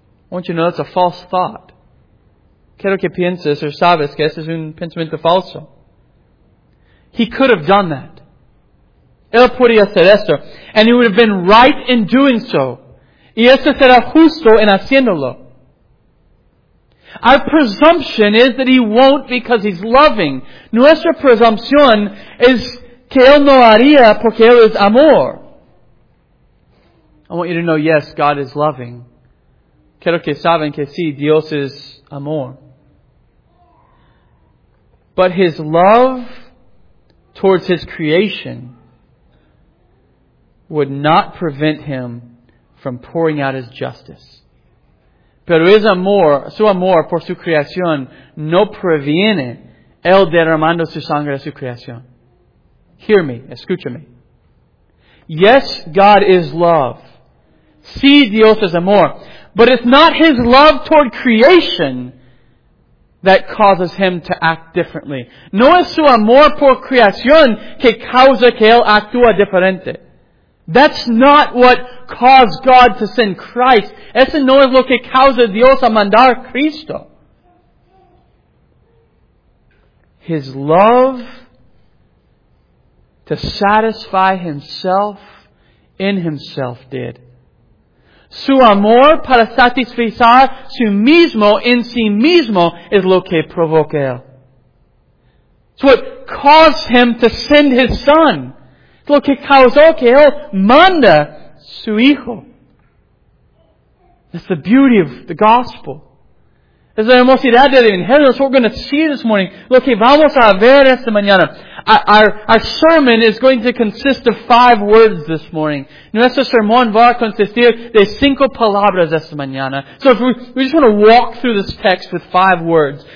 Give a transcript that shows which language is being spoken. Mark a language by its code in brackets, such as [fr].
[en] I want you to know that's a false thought. [es] Quiero que pienses o sabes que ese es un pensamiento falso. [en] He could have done that. [es] Él podría hacer esto. [en] And he would have been right in doing so. [es] Y esto será justo en haciéndolo. [en] Our presumption is that he won't because he's loving. [es] Nuestra presumpción es que él no haría porque él es amor. [en] I want you to know, yes, God is loving. [es] Quiero que saben que sí, Dios es amor. [en] But his love towards his creation would not prevent him from pouring out his justice. [es] Pero es amor, su amor por su creación no previene el derramando su sangre a su creación. [en] Hear me, [es] escúchame. [en] Yes, God is love. [es] Sí, Dios es amor. [en] But it's not his love toward creation that causes him to act differently. [es] No es su amor por creación que causa que él actúa diferente. [en] That's not what caused God to send Christ. [es] Eso no es lo que causa Dios a mandar Cristo. [en] His love to satisfy himself in himself did. [es] Su amor para satisfacer su mismo en sí mismo es lo que provoca él. [en] It's what caused him to send his son. [es] Lo que causó que él manda su hijo. [en] That's the beauty of the gospel. [es] Es la hermosidad del Evangelio. [en] That's what we're going to see this morning. [es] Lo que vamos a ver esta mañana. [en] Our sermon is going to consist of 5 words this morning. [es] Nuestro sermón va a consistir de 5 palabras esta mañana. [en] So if we just want to walk through this text with 5 words.